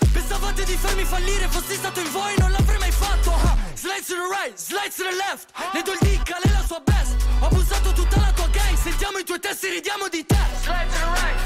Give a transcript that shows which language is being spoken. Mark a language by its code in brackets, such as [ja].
[it] Pensavate di farmi fallire. Fossi stato in voi non l'avrei mai fatto. [en] Slide to the right, slide to the left. [it] Le do il dick, lei la sua best. Ho abusato tutta la tua gang. Sentiamo i tuoi testi, ridiamo di te. Slide to the right.